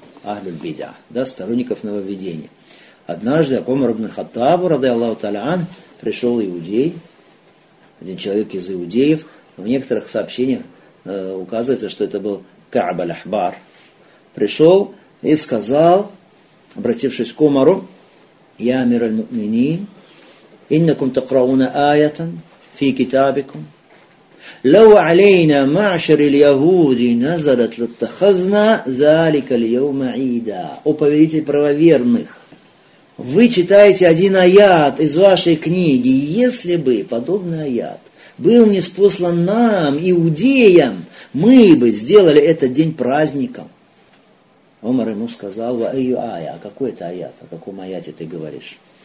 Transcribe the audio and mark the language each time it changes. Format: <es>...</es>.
<ru>Ахлюль-бидъа, да, сторонников нововведения. Однажды Умар ибн аль-Хаттабу, ради Аллаху Таалян, пришел иудей, один человек из иудеев. В некоторых сообщениях указывается, что это был Каъб аль-Ахбар. Пришел и сказал, обратившись к Умару,</ru> <ar>«Я амир аль-муминин, иннакум такрауна аятан». في كتابكم لو علينا معشر اليهود نزلت لاتخذنا ذلك اليوم عيدا.</ar> <ru>О повелитель правоверных, вы читаете один аят из вашей книги, если бы подобный аят был ниспослан нам, иудеям, мы бы сделали этот день праздником. Умар ему сказал, а какой это аят, о каком аяте ты говоришь?</ru>